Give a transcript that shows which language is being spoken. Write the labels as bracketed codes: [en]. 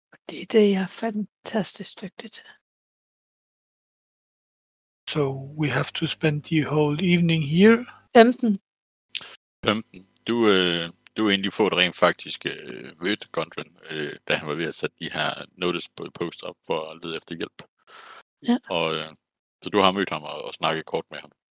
[da] Det er fantastisk dygtigt. [en] So we have to spend the whole evening here. 15. 15. [da] Du endelig får det rent faktisk ved Gondren, da han var ved at sætte de her notice på post op for at lede efter hjælp. Ja. Og så du har mødt ham og snakket kort med ham.